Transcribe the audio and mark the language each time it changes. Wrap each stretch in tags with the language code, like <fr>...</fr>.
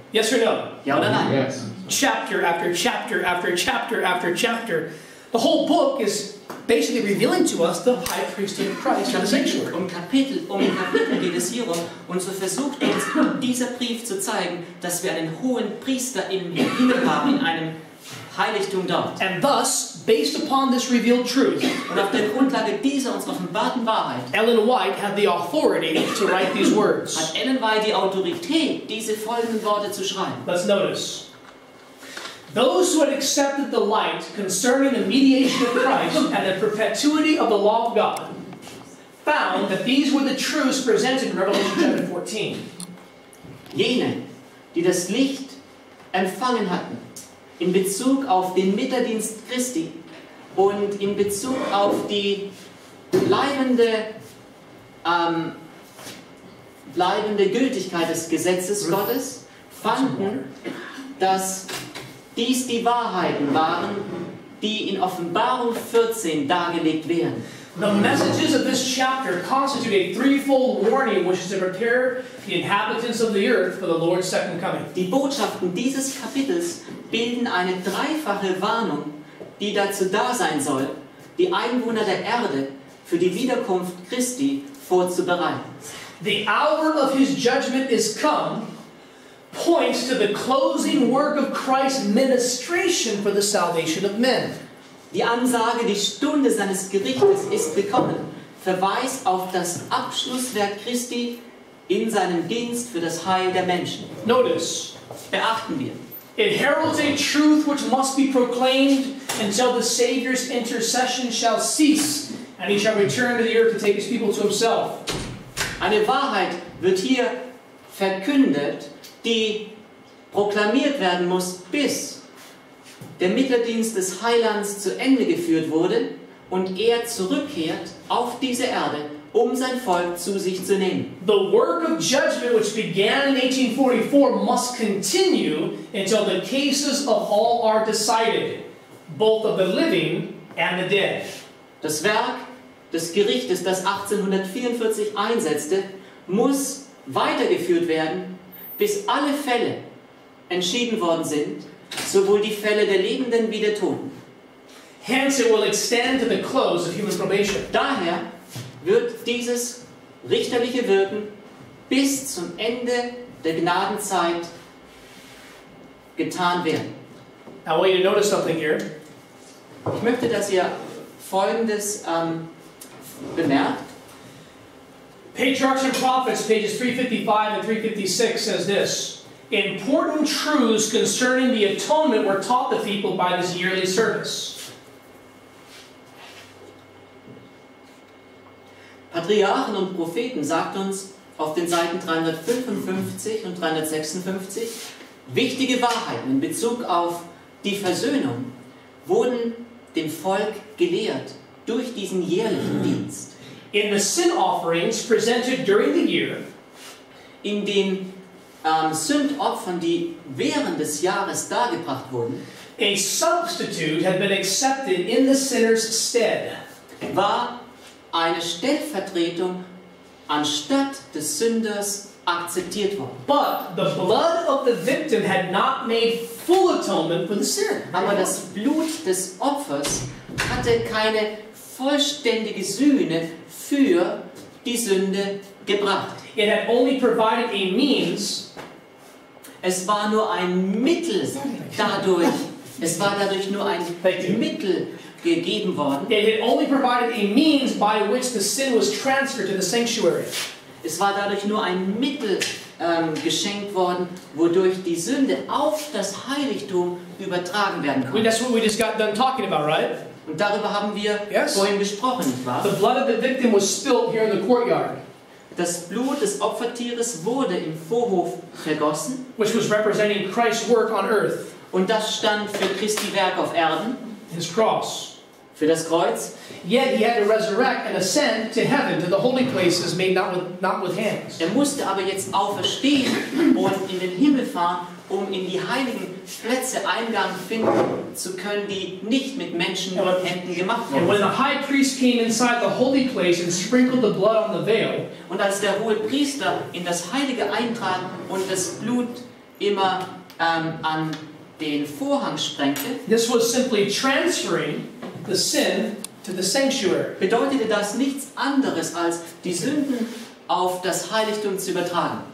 <en>Yes or no?</en> <de>Ja oder nein?</de> <en>Yes. Chapter after chapter after chapter after chapter, the whole book is basically revealing to us the high priesthood of Christ in the sanctuary.</en> <de>Um Kapitel geht es hier um, und so versucht uns dieser Brief zu zeigen, dass wir einen hohen Priester im Himmel haben, in einem Heiligtum dort.</de> <en>And thus, based upon this revealed truth,</en> <de>und auf der Grundlage dieser uns offenbarten Wahrheit,</de> <en>Ellen White had the authority to write these words.</en> <de>Hat Ellen White die Autorität, diese folgenden Worte zu schreiben.</de> <en>Let's notice. Those who had accepted the light concerning the mediation of Christ and the perpetuity of the law of God found that these were the truths presented in Revelation chapter 14.</en> <de>Jene, die das Licht empfangen hatten in Bezug auf den Mitterdienst Christi und in Bezug auf die bleibende Gültigkeit des Gesetzes Gottes, fanden, dass dies die Wahrheiten waren, die in Offenbarung 14 dargelegt werden.</de> <en>The messages of this chapter constitute a threefold warning, which is to prepare the inhabitants of the earth for the Lord's second coming.</en> <de>Die Botschaften dieses Kapitels bilden eine dreifache Warnung, die dazu da sein soll, die Einwohner der Erde für die Wiederkunft Christi vorzubereiten.</de> <en>The hour of his judgment is come points to the closing work of Christ's ministration for the salvation of men.</en> <de>Die Ansage, die Stunde seines Gerichtes ist gekommen, verweist auf das Abschlusswerk Christi in seinem Dienst für das Heil der Menschen.</de> <en>Notice.</en> <de>Beachten wir.</de> <en>It heralds a truth which must be proclaimed until the Savior's intercession shall cease and he shall return to the earth to take his people to himself.</en> <de>Eine Wahrheit wird hier verkündet, die proklamiert werden muss, bis der Mitteldienst des Heilands zu Ende geführt wurde und er zurückkehrt auf diese Erde, um sein Volk zu sich zu nehmen.</de> <en>The work of judgment which began in 1844 must continue until the cases of all are decided, both of the living and the dead.</en> <de>Das Werk des Gerichtes, das 1844 einsetzte, muss weitergeführt werden, bis alle Fälle entschieden worden sind, sowohl die Fälle der Lebenden wie der Toten.</de> <en>Hence it will extend to the close of human probation.</en> <de>Daher wird dieses richterliche Wirken bis zum Ende der Gnadenzeit getan werden.</de> <en>I want you to notice something here.</en> <de>Ich möchte, dass ihr Folgendes bemerkt.</de> <en>Patriarchs and Prophets, pages 355 and 356, says this. Important truths concerning the atonement were taught the people by this yearly service.</en> <de>Patriarchen und Propheten sagt uns auf den Seiten 355 und 356, wichtige Wahrheiten in Bezug auf die Versöhnung wurden dem Volk gelehrt durch diesen jährlichen Dienst.</de> <en>In the sin offerings presented during the year,</en> <de>in den Sündopfern, die während des Jahres dargebracht wurden,</de> <en>a substitute had been accepted in the sinner's stead.</en> <de>War eine Stellvertretung anstatt des Sünders akzeptiert worden.</de> <en>But the blood of the victim had not made full atonement for the sin.</en> <de>Aber das Blut des Opfers hatte keine vollständige Sühne für die Sünde gebracht.</de> <en>It had only provided a means.</en> <de>Es war nur ein Mittel dadurch. Es war dadurch nur ein Mittel gegeben worden.</de> <en>It had only provided a means by which the sin was transferred to the sanctuary.</en> <de>Es war dadurch nur ein Mittel geschenkt worden, wodurch die Sünde auf das Heiligtum übertragen werden konnte.</de> <en>That's what we just got done talking about, right?</en> <de>Und darüber haben wir vorhin gesprochen, nicht wahr?</de> <en>The blood of the victim was spilled here in the courtyard.</en> <de>Das Blut des Opfertieres wurde im Vorhof vergossen,</de> <en>which was representing Christ's work on earth.</en> <de>Und das stand für Christi Werk auf Erden,</de> <en>his cross,</en> <de>für das Kreuz.</de> <en>Yet he had to resurrect and ascend to heaven, to the holy places made not with hands.</en> <de>Er musste aber jetzt auferstehen und in den Himmel fahren, um in die heiligen Plätze Eingang finden zu können, die nicht mit Menschen und Händen gemacht wurden.</de> <en>And when the high priest came inside the holy place and sprinkled the blood on the veil,</en> <de>und als der hohe Priester in das Heilige eintrat und das Blut immer an den Vorhang sprengte,</de> <en>this was simply transferring the sin to the sanctuary.</en> <de>Bedeutete das nichts anderes als die Sünden auf das Heiligtum zu übertragen.</de>